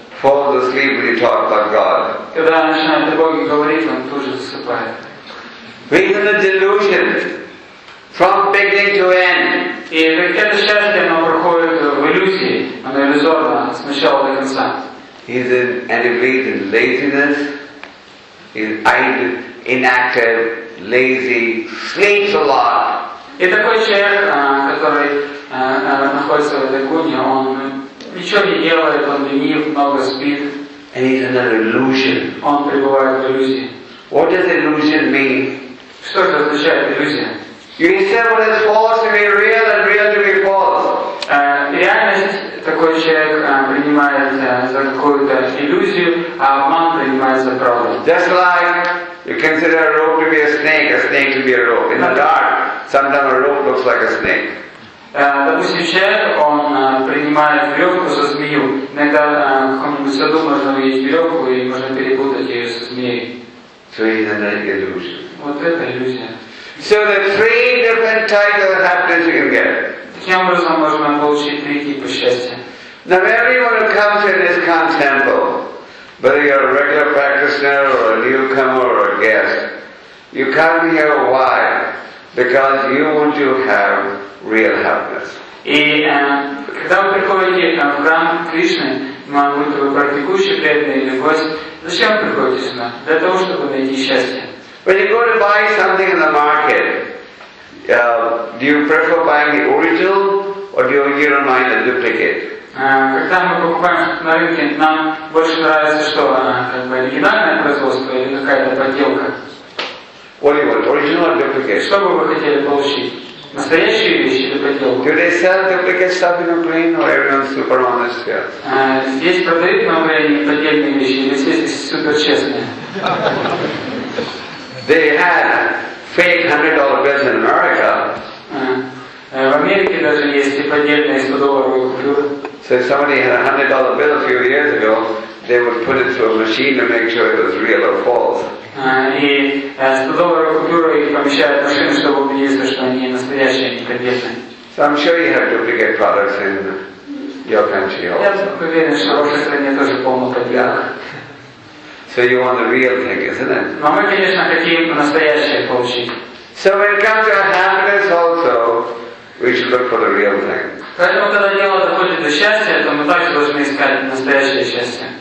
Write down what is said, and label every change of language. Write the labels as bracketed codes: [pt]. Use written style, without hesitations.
[en] Falls asleep when he talks about God. [ru] Когда начинает о Боге говорить, он тут же засыпает. [en] Being in the delusion from beginning to end. [ru] И это счастье, оно проходит в иллюзии, оно иллюзорно, с начала до конца. [en] He's in elevated laziness, he's idle, inactive, lazy, sleeps a lot. [ru] И такой человек, который находится в этой гуне, он ничего не делает, он ленив, много спит. [en] And he's in an illusion. [ru] Он пребывает в иллюзии. [en] What does illusion mean? [ru] Что же означает иллюзия? [en] You said what is false to be real and real to be false. [ru] Реальность такой человек принимает за какую-то иллюзию, а обман принимает за правду. [en] Just like you consider a rope to be a snake to be a rope. In the dark, sometimes a rope looks like a snake. [ru] Допустим, человек, он принимает веревку за змею. Иногда в каком-нибудь саду можно увидеть веревку и можно перепутать ее со змеей. [en] So he's an illusion. [ru] Вот это иллюзия. [en] So the three different types of happiness you can get. [ru] Таким образом можно получить три типа счастья. [en] Now everyone who comes in this Khan's temple, whether you're a regular practitioner or a newcomer or a guest, you come here why? Because you want to have real happiness. [ru] И когда вы приходите в храм Кришны, вам будет вы практикующий преданный или гость, зачем вы приходите сюда? Для того, чтобы найти счастье. [en] When you go to buy something in the market, do you prefer buying the original or do you want to buy the duplicate? [ru] Когда мы покупаем на рынке, нам больше нравится что, оригинальное производство или какая-то подделка? [en] What do you want, original or duplicate? [ru] Что бы вы хотели получить? Настоящие вещи или подделку? [en] Do they sell duplicate stuff in Ukraine or everyone's super honest here? [ru] Здесь продают на Украине поддельные вещи или все здесь супер честные? [en] They had fake $100 bills in America. [ru] В Америке даже есть поддельные $100 купюры. [en] So if somebody had a $100 bill a few years ago, they would put it through a machine to make sure it was real or false. [ru] И $100 купюры их помещают в машину, чтобы убедиться, что они настоящие, а не поддельные. [en] So I'm sure you have duplicate products in your country also. [ru] Я уверен, что в вашей стране тоже полно подделок. [en] So you want the real thing, isn't it? [ru] Но мы, конечно, хотим настоящее получить. [en] So when it comes to happiness also, we should look for the real thing. [ru] Поэтому, когда дело доходит до счастья, то мы также должны искать настоящее счастье.